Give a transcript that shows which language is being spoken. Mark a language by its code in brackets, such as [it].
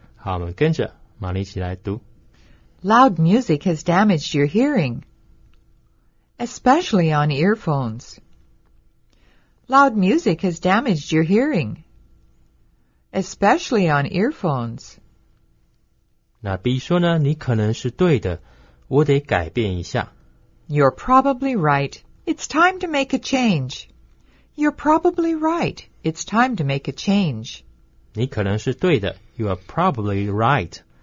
[zh] 好，我们跟着玛丽一起来读。 [en] Loud music has damaged your hearing, especially on earphones. Loud music has damaged your hearing, especially on earphones. [zh] 那 B 说呢，你可能是对的，我得改变一下。 [en] You're probably right. It's time to make a change. You're probably right. It's time to make a change. [zh] 你可能是对的， [en] You are probably right.